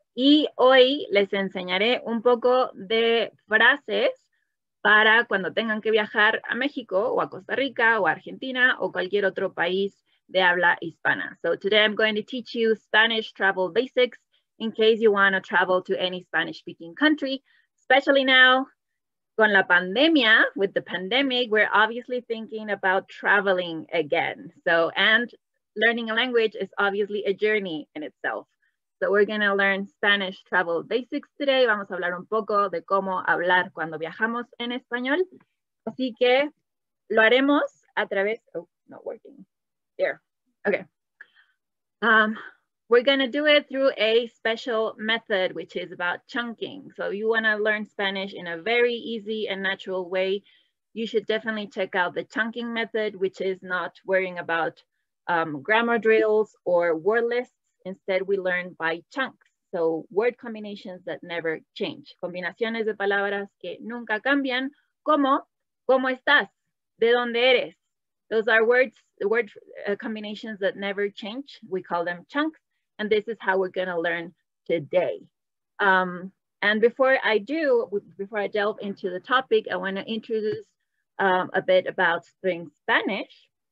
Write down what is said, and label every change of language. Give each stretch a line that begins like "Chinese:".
Spanish: Y hoy les enseñaré un poco de frases para cuando tengan que viajar a México o a Costa Rica o a Argentina o cualquier otro país de habla hispana.
English: So today I'm going to teach you Spanish travel basics in case you want to travel to any Spanish speaking country, especially now
Spanish: con la pandemia,
English: with the pandemic, we're obviously thinking about traveling again. So, and learning a language is obviously a journey in itself. So we're going to learn Spanish travel basics today.
Spanish: Vamos a hablar un poco de cómo hablar cuando viajamos en español. Así que lo haremos a través...
English: Oh, not working. There. Okay. We're going to do it through a special method, which is about chunking. So you want to learn Spanish in a very easy and natural way. You should definitely check out the chunking method, which is not worrying about grammar drills or word lists. Instead, we learn by chunks, so word combinations that never change.
Spanish: Combinaciones de palabras que nunca cambian, como, ¿cómo estás? ¿De dónde eres?
English: Those are word combinations that never change. We call them chunks, and this is how we're going to learn today. And before I delve into the topic, I want to introduce a bit about Spring Spanish.